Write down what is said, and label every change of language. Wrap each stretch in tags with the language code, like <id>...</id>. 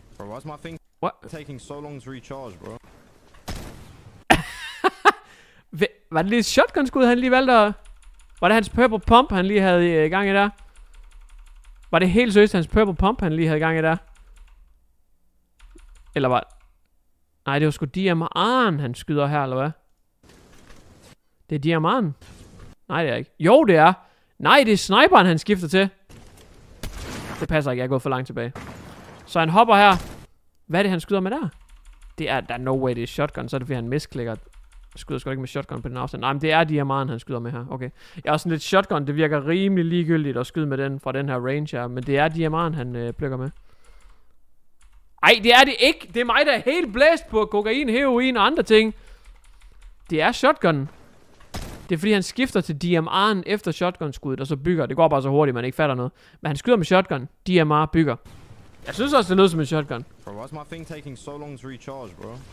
<en>Bro, why is my thing taking so long to recharge, bro?</en> <da>Var det lige et shotgun skud han lige valgte at... Var det hans purple pump han lige havde gang i der? Var det helt seriøst hans purple pump han lige havde gang i der? Eller var... Nej, det var sgu DMR'en han skyder her, eller hvad? Det er DMR'en? Nej, det er ikke. Jo, det er. Nej, det er sniperen han skifter til. Det passer ikke, jeg er gået for langt tilbage. Så han hopper her. Hvad er det han skyder med der? Det er, der er</da> <en>no way</en> <da>det er shotgun, så er det fordi han misklikker. Skyder sgu ikke med shotgun på den afstand. Nej, men det er DMR'en han skyder med her, okay. Jeg har sådan lidt shotgun, det virker rimelig ligegyldigt at skyde med den fra den her range her. Men det er DMR'en han plukker med. Ej, det er det ikke. Det er mig der er helt blæst på kokain, heroin og andre ting. Det er shotgun. Det er fordi han skifter til DMR'en efter shotgun skuddet og så bygger. Det går bare så hurtigt man ikke fatter noget. Men han skyder med shotgun, DMR bygger. Jeg synes også, det lyder som en shotgun.</da> <en>Bro, why is my thing taking so long to recharge, bro?</en>